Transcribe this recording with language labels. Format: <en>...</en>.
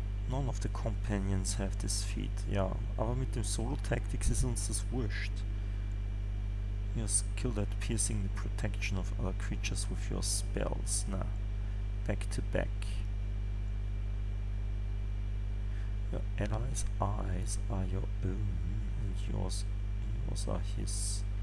<en>None of the Companions have this feat.</en> <de>Ja, aber mit dem Solo Tactics ist uns das wurscht.</de> <en>You're skilled at piercing the protection of other creatures with your spells. Na, back to back. Your Allied's eyes are your own and yours are his.</en>